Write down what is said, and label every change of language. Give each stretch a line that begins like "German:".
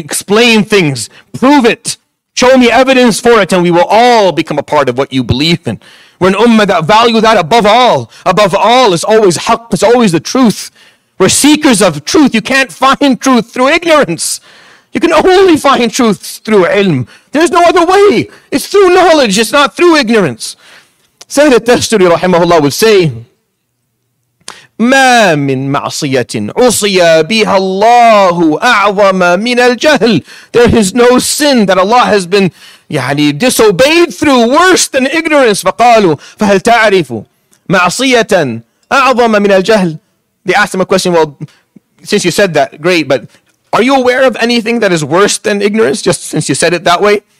English: Explain things, prove it, show me evidence for it, and we will all become a part of what you believe in. We're an ummah that value that above all. Above all is always haqq, it's always the truth. We're seekers of truth. You can't find truth through ignorance. You can only find truth through ilm. There's no other way. It's through knowledge. It's not through ignorance.
Arabic: Sayyid al-Tasturi rahimahullah
English: would say,
Arabic: مَا مِن مَعْصِيَةٍ عُصِيَ بِهَا اللَّهُ أَعْظَمَ مِنَ الْجَهْلِ.
English: There is no sin that Allah has been disobeyed through worse than ignorance.
Arabic: فَقَالُوا فَهَلْ تَعْرِفُ مَعْصِيَةً أَعْظَمَ مِنَ الْجَهْلِ.
English: They asked him a question, well, since you said that, great, but are you aware of anything that is worse than ignorance, just since you said it that way?